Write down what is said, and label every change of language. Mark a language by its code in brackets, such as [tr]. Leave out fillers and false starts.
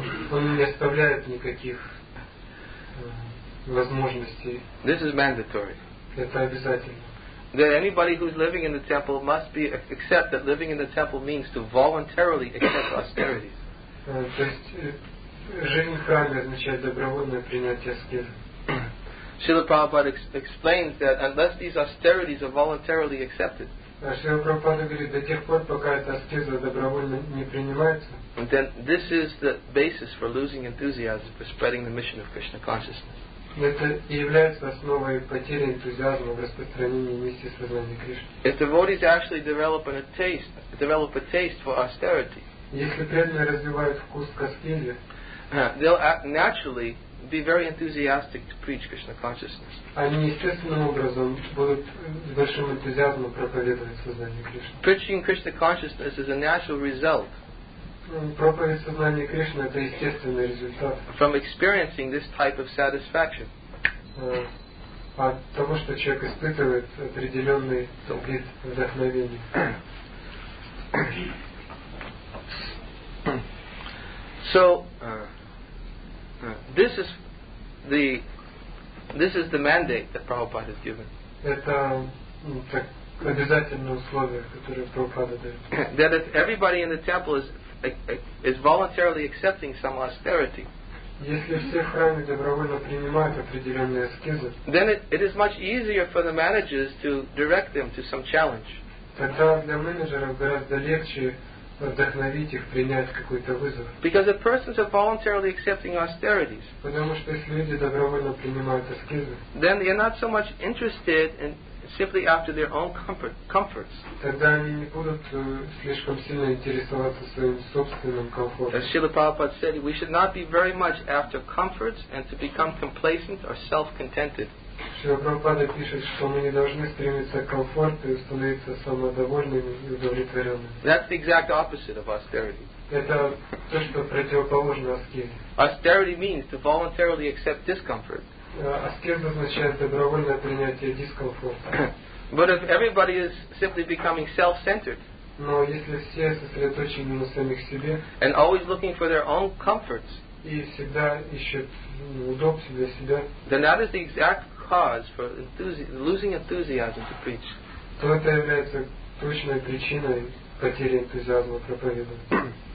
[ru] Он не оставляет никаких возможностей. [en] This is mandatory. [ru] Это обязательно. [en] That anybody who's living in the temple must be accept that living in the temple means to voluntarily accept austerities. [ru] То есть жизнь в храме означает добровольное принятие аскезы. [en] Srila Prabhupada explains that unless these austerities are voluntarily accepted, [ru] Srila Prabhupada говорит, до тех пор, пока эта аскеза добровольно не принимается, [en] then this is the basis for losing enthusiasm for spreading the mission of Krishna consciousness. [ru] Это и является основой потери энтузиазма в распространении миссии сознания Кришны. [en] If devotees actually develop a taste for austerity, [ru] если преданные развивают вкус к аскезе, [en] they'll naturally be very enthusiastic to preach Krishna consciousness. [ru] Они естественным образом будут с большим энтузиазмом проповедовать сознание Кришны. [en] Preaching Krishna consciousness is a natural result. [ru] Проповедь сознания Кришны — это естественный результат. [en] From experiencing this type of satisfaction. [ru] От того, что человек испытывает определенный вид вдохновения. [en] So, this is the mandate that Prabhupada has given. [ru] Это обязательное условие, которое Прабхупада дает. [en] That if everybody in the temple is voluntarily accepting some austerity, [ru] если все в храме добровольно принимают определенные аскезы, [en] then it is much easier for the managers to direct them to some challenge. [ru] Тогда для менеджеров гораздо легче вдохновить их принять какой-то вызов. [en] Because if persons are voluntarily accepting austerities, [ru] потому что если люди добровольно принимают аскезы, [en] then they are not so much interested in simply after their own comforts. [ru] Тогда они не будут слишком сильно интересоваться своим собственным комфортом. [en] As Srila Prabhupada said, we should not be very much after comforts and to become complacent or self-contented. [ru] Srila Prabhupada пишет, что мы не должны стремиться к комфорту и становиться самодовольными и удовлетворенными. [en] That's the exact opposite of austerity. [ru] Это то, что противоположно аскезе. [en] Austerity means to voluntarily accept discomfort. [ru] Аскеза означает добровольное принятие дискомфорта. [en] But if everybody is simply becoming self-centered, [ru] но если все сосредоточены на самих себе, [en] and always looking for their own comforts, [ru] и всегда ищут удобства для себя, [en] then that is the exact cause for losing enthusiasm to preach. [ru] То это является точной причиной потери энтузиазма проповедовать.